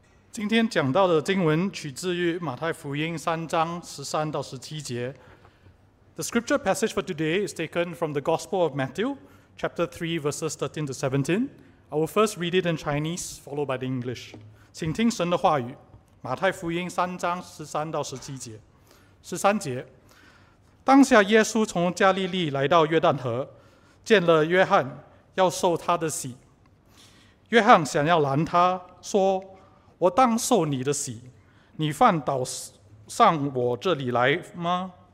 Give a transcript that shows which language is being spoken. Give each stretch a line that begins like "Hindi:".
Chinese: 今天讲到的经文取自于马太福音三章十三到十七节。
English: The scripture passage for today is taken from the Gospel of Matthew, chapter 3, verses 13 to 17. I will first read it in Chinese, followed by the English.
Chinese: 请听神的话语，马太福音三章十三到十七节。十三节，当下耶稣从加利利来到约旦河，见了约翰，要受他的洗。约翰想要拦他，说：我当受你的洗，你犯倒上我这里来吗？